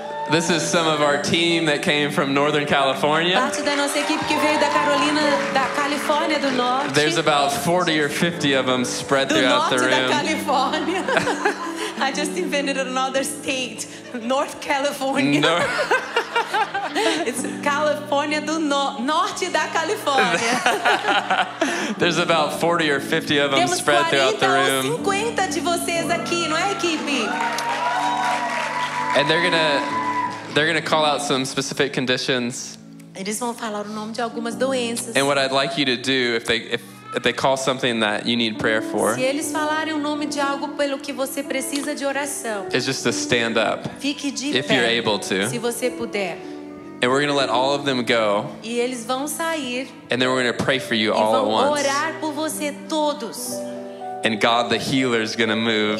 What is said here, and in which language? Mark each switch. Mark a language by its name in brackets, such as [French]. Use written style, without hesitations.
[English] This is some of our team that came from Northern California. [Portuguese] Parte da nossa equipe que veio da Carolina, da Califórnia do Norte. [English] There's about 40 or 50 of them spread throughout the room. [Portuguese] Do norte da Califórnia. [English] I just invented another state, North California. No. [Portuguese] It's California do Norte da Califórnia. [English] There's about 40 or 50 of them [Portuguese] Temos [English] spread throughout the room. [Portuguese] Temos 50 de vocês aqui, não é, equipe? [English] And they're going to They're going to call out some specific conditions. [Portuguese] Eles vão falar o nome de algumas doenças. [English] And what I'd like you to do, if they call something that you need prayer for, [Portuguese] se eles falarem o nome de algo pelo que você precisa de oração, [English] is just to stand up. [Portuguese] Fique de [English] if [Portuguese] pé, [English] you're able to. [Portuguese] Se você puder. [English] And we're going to let all of them go. [Portuguese] E eles vão sair, [English] and then we're going to pray for you all at once. [Portuguese] Orar por você todos. [English] And God the healer is going to move